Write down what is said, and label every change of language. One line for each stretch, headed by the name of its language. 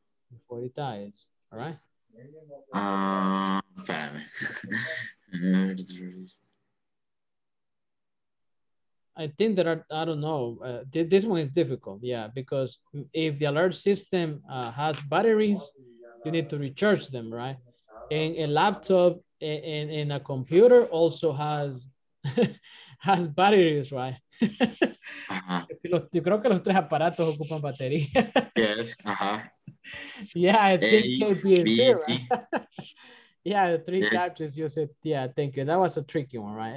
English: Before it dies. All right. I think that I don't know. This one is difficult. Yeah, because if the alert system has batteries, you need to recharge them, right? And a laptop and a computer also has has batteries, right?
Spanish: Yo creo que los tres aparatos ocupan batería.
English: Yes, ajá. Yeah, I think it would be in there, right? Yeah, the three captures, you said, yeah, thank you. That was a tricky one, right?